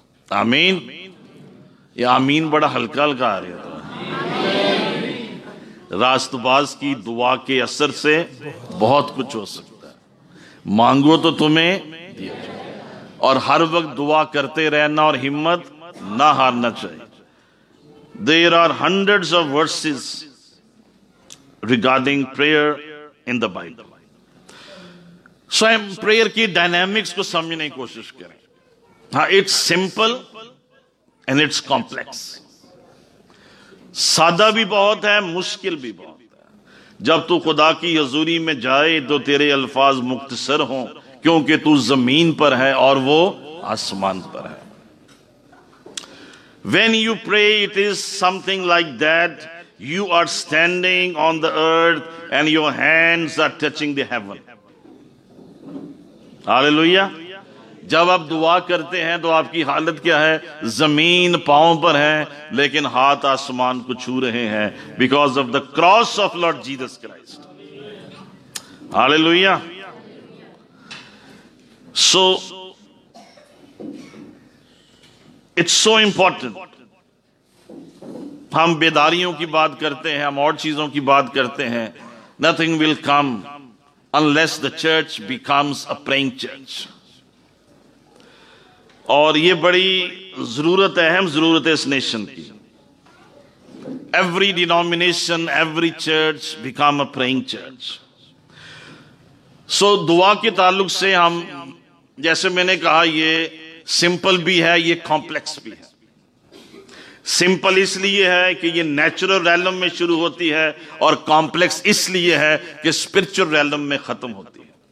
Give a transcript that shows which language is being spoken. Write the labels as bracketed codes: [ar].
[ur] آمین. یہ آمین بڑا ہلکا ہلکا آ رہا تھا. راست باز کی دعا کے اثر سے بہت کچھ ہو سکتا ہے. مانگو تو تمہیں دیا جائے، اور ہر وقت دعا کرتے رہنا اور ہمت نہ ہارنا چاہیے. [en] There are hundreds of verses regarding prayer in the Bible. [ur] So ہم prayer کی dynamics کو سمجھنے کی کوشش کریں. [en] It's simple and it's complex. [ur] سادہ بھی بہت ہے، مشکل بھی بہت ہے. جب تو خدا کی حضوری میں جائے تو تیرے الفاظ مختصر ہوں، کیونکہ تو زمین پر ہے اور وہ آسمان پر ہے. [en] When you pray, it is something like that. You are standing on the earth and your hands are touching the heaven. Hallelujah. [ur] جب آپ دعا کرتے ہیں تو آپ کی حالت کیا ہے؟ زمین پاؤں پر ہے لیکن ہاتھ آسمان کو چھو رہے ہیں. [en] Because of the cross of Lord Jesus Christ. Hallelujah. So it's so important. [ur] ہم بیداریوں کی بات کرتے ہیں، ہم اور چیزوں کی بات کرتے ہیں. [en] Nothing will come unless the church becomes a praying church. [ur] اور یہ بڑی ضرورت ہے، اہم ضرورت ہے اس نیشن کی. [en] Every denomination, every church become a praying church. [ur] So دعا کے تعلق سے ہم، جیسے میں نے کہا، یہ سمپل بھی ہے، یہ کمپلیکس بھی ہے. سمپل اس لیے ہے کہ یہ نیچرل ریلم میں شروع ہوتی ہے، اور کمپلیکس اس لیے ہے کہ اسپرچل ریلم میں ختم ہوتی ہے.